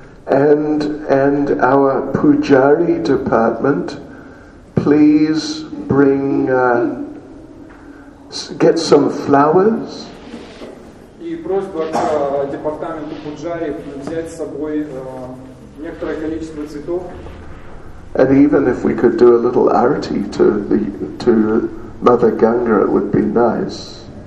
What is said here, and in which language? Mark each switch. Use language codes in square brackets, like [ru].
[en] And our pujari department, please bring get some flowers. [ru] И просьба к департаменту пуджари взять с собой некоторое количество цветов. [en] And even if we could do a little arati to the to Mother Ganga, it would be nice.